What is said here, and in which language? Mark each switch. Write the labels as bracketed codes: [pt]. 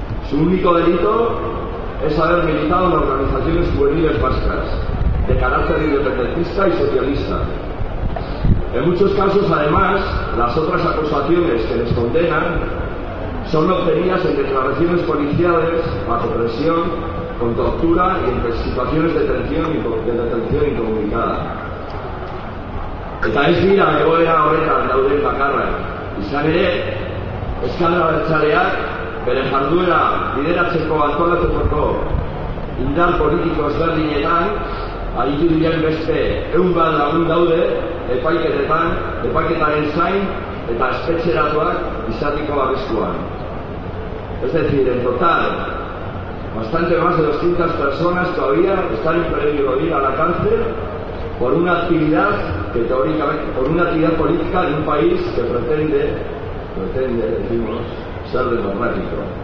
[es] Su único delito es haber militado en organizaciones juveniles vascas de carácter independentista y socialista. En muchos casos, además, las otras acusaciones que les condenan son obtenidas en declaraciones policiales bajo presión, con tortura y en situaciones de detención y de detención incomunicada. [eu] Eta ez dira egoera horretan dauden bakarra. Izan ere, eskaldra bertxaleak bere jarduera bideratzeko antolatuko indar politiko ezberdinetan aritu diren beste 100 lagun daude epaiketetan, epaiketaren zain eta espetxeratuak izateko arriskuan. [es] Es decir, en total, bastante más de 200 personas todavía están en peligro de ir a la cárcel por una actividad que teóricamente, por una actividad política de un país que pretende, decimos, ser democrático.